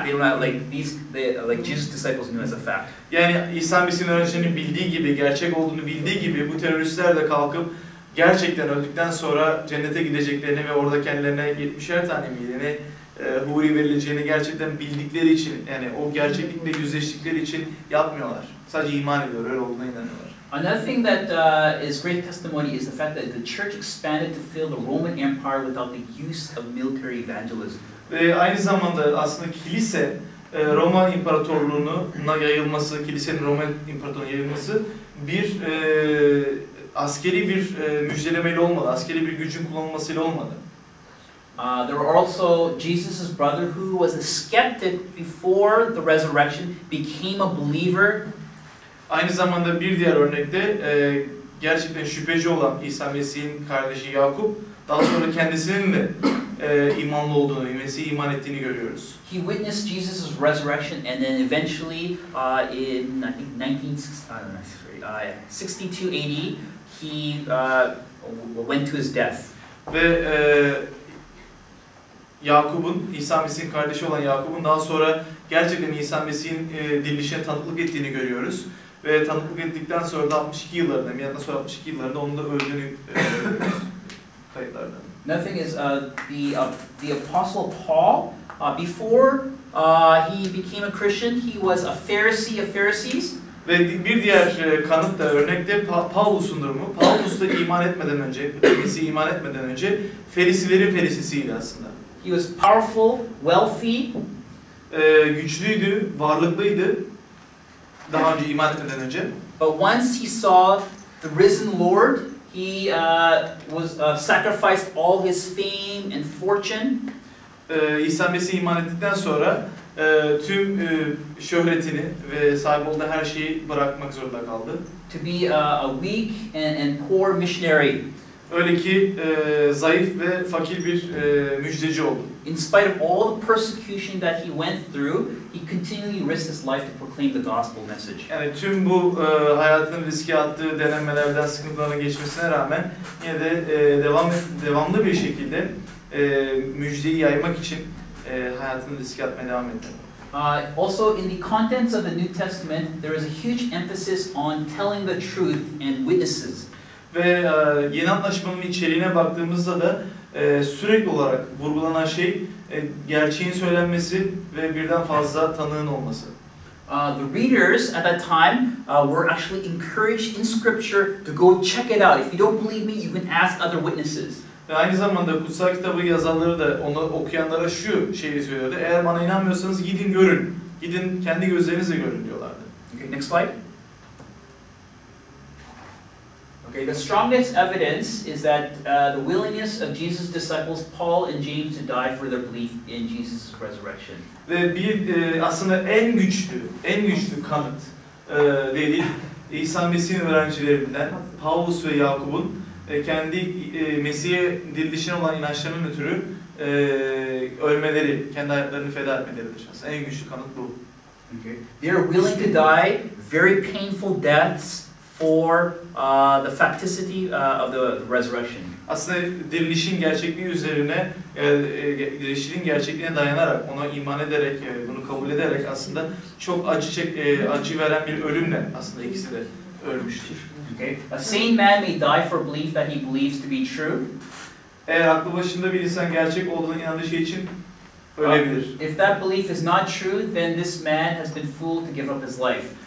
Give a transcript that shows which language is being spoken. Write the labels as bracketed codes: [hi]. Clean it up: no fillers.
[en] They don't know as a fact, like Jesus' disciples knew as a fact. [tr] Yani İsa Mesih'in öğrencilerinin bildiği gibi, gerçek olduğunu bildiği gibi bu teröristler de kalkıp gerçekten öldükten sonra cennete gideceklerini ve orada kendilerine 70'er tane miydi, huri verileceğini gerçekten bildikleri için, yani o gerçeklikle yüzleştikleri için yapmıyorlar. Sadece iman ediyorlar, öyle olduğuna inanıyorlar. [en] Another thing that is great testimony is the fact that the church expanded to fill the Roman Empire without the use of military evangelism. [tr] Ve aynı zamanda aslında kilise Roma İmparatorluğu'na yayılması, kilisenin Roma İmparatorluğu'na yayılması bir askeri bir müjdelemeyle olmadı, askeri bir gücün kullanılmasıyla olmadı. [en] There were also Jesus' brother who was a skeptic before the resurrection became a believer. [tr] Aynı zamanda bir diğer örnekte gerçekten şüpheci olan İsa Mesih'in kardeşi Yakup daha sonra kendisinin de imanlı olduğunu, Mesih'e iman ettiğini görüyoruz. [en] He witnessed Jesus' resurrection and then eventually in I think 62 AD he went to his death. [tr] Ve Yakup'un, İsa Mesih'in kardeşi olan Yakup'un daha sonra gerçekten İsa Mesih'in dirilişine tanıklık ettiğini görüyoruz. Ve tanıklık ettikten sonra da 62 yıllarında, yani sonra 62 yıllarında onun da öldüğünü kayıtlarda. [en] Nothing is the apostle Paul before he became a Christian, he was a Pharisee of Pharisees. [tr] Ve bir diğer kanıt da örnek de Paulus'un durumu. Paulus da iman etmeden önce, Mesih'e iman etmeden önce Ferisilerin Ferisisiydi aslında. [en] He was powerful, wealthy. [tr] Güçlüydü, varlıklıydı. Daha önce iman etmeden önce. [en] But once he saw the risen Lord, he sacrificed all his fame and fortune. [tr] İsa Mesih'e iman ettikten sonra tüm şöhretini ve sahip olduğu her şeyi bırakmak zorunda kaldı. [en] To be a weak and poor missionary. [tr] Öyle ki zayıf ve fakir bir müjdeci oldu. [en] In spite of all the persecution that he went through, he continually risked his life to proclaim the gospel message. [tr] Yani tüm bu hayatını riske attığı denemelerden, sıkıntılarına geçmesine rağmen yine de devamlı bir şekilde müjdeyi yaymak için hayatını riske atmaya devam etti. [en] Also in the contents of the New Testament, there is a huge emphasis on telling the truth and witnesses. [tr] Ve yeni anlaşmanın içeriğine baktığımızda da sürekli olarak vurgulanan şey gerçeğin söylenmesi ve birden fazla tanığın olması. [en] The readers at that time were actually encouraged in scripture to go check it out. If you don't believe me, you can ask other witnesses. [tr] Ve aynı zamanda kutsal kitabı yazanları da onu okuyanlara şu şeyi söylüyordu. Eğer bana inanmıyorsanız gidin görün. Gidin kendi gözlerinizle görün diyorlardı. [en] Okay, next slide. Okay, the strongest evidence is that the willingness of Jesus' disciples Paul and James to die for their belief in Jesus' resurrection. [tr] Ve bir aslında en güçlü kanıt dediğim İsa Mesih'in öğrencilerinden Paulus ve Yakup'un kendi Mesih'e dirilişine olan inançlarının ötürü ölmeleri, kendi hayatlarını feda etmeleridir. Aslında en güçlü kanıt bu. [en] Okay. They are willing to die very painful deaths for the facticity of the resurrection. [tr] Aslında dirilişin gerçekliği üzerine, dirilişin gerçekliğine dayanarak, ona iman ederek, bunu kabul ederek aslında çok acı veren bir ölümle aslında ikisi de ölmüştür. [en] Okay. A sane man may die for belief that he believes to be true. [tr] Eğer aklı başında bir insan gerçek olduğuna inandığı şey için ölebilir. [en] If that belief is not true, then this man has been fooled to give up his life.